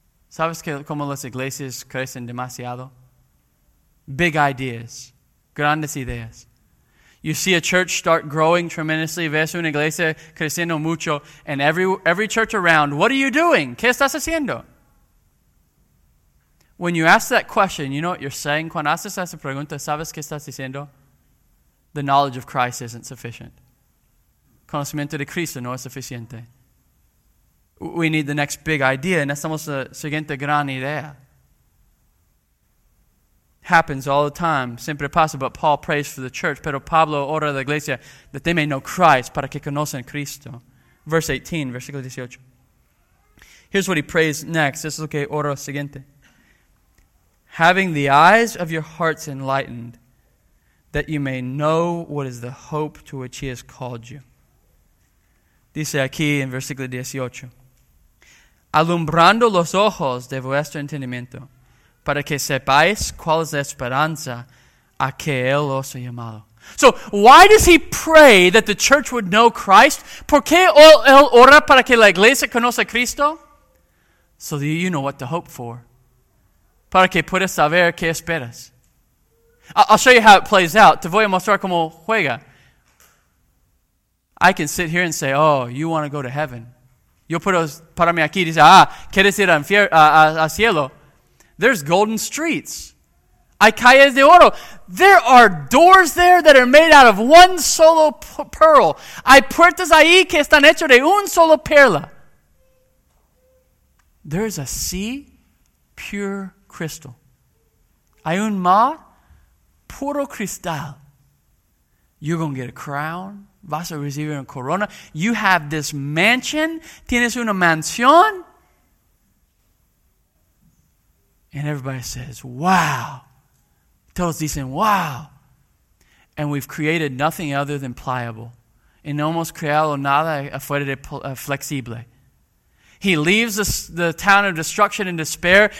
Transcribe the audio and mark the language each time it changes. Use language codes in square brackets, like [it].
[es] ¿Sabes cómo las iglesias crecen demasiado? [en] Big ideas, [es] grandes ideas. [en] You see a church start growing tremendously. [es] Ves una iglesia creciendo mucho. [en] And every church around, what are you doing? [es] ¿Qué estás haciendo? [en] When you ask that question, you know what you're saying? [es] Cuando haces esa pregunta, ¿sabes qué estás diciendo? [en] The knowledge of Christ isn't sufficient. [es] Conocimiento de Cristo no es suficiente. [en] We need the next big idea. [es] Necesitamos la siguiente gran idea. [en] Happens all the time. [es] Siempre pasa, [en] but Paul prays for the church. [es] Pero Pablo ora a la iglesia [en] that they may know Christ [es] para que conocen Cristo. [en] Verse 18, [es] versículo 18. [en] Here's what he prays next. This is [es] lo que ora siguiente. [en] Having the eyes of your hearts enlightened, that you may know what is the hope to which he has called you. [es] Dice aquí en versículo 18. Alumbrando los ojos de vuestro entendimiento. Para que sepáis cuál es la esperanza a que él os ha llamado. [en] So, why does he pray that the church would know Christ? [es] ¿Por qué él ora para que la iglesia conozca a Cristo? [en] So that you know what to hope for. [es] Para que puedas saber qué esperas. [en] I'll show you how it plays out. [es] Te voy a mostrar cómo juega. [en] I can sit here and say, oh, you want to go to heaven. [es] Yo puedo pararme aquí y decir, ah, ¿quieres ir a cielo? [en] There's golden streets. [es] Hay calles de oro. [en] There are doors there that are made out of one solo pearl. [es] Hay puertas ahí que están hechas de un solo perla. [en] There is a sea, pure crystal. [es] Hay un mar, puro cristal. [en] You're going to get a crown. [es] Vas a recibir una corona. [en] You have this mansion. [es] Tienes una mansión. [en] And everybody says, wow. [es] Todos dicen, wow. [en] And we've created nothing other than pliable. [es] Y no hemos creado nada afuera de flexible. [en] He leaves the town of destruction and despair.